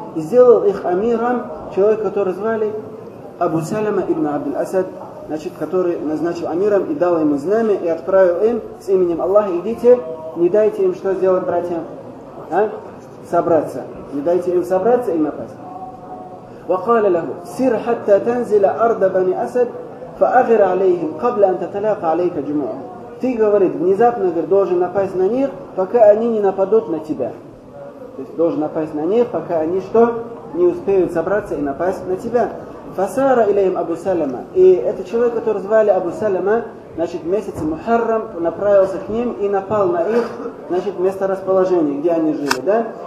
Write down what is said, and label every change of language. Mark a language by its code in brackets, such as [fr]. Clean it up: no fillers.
[ru] И сделал их амиром человек, который звали Абу Салама ибн Абдул-Асад, значит, который назначил амиром и дал ему знамя, и отправил им с именем Аллаха, идите, не дайте им что сделать, братьям? А? Собраться. Не дайте им собраться и напасть. [ar] وقال له سر حتى تنزل ارض بني اسد فاغر عليهم قبل ان تتلاقى عليك جموعهم. [ru] Ты, говорит, внезапно, говорит, должен напасть на них, пока они не нападут на тебя. То есть должен напасть на них, пока они что? Не успеют собраться и напасть на тебя. [ar] فسار اليهم ابو سلمه. [ru] И этот человек, который звали Абу Салама, значит, в месяце Мухаррам направился к ним и напал на их, значит, место расположения, где они жили, да?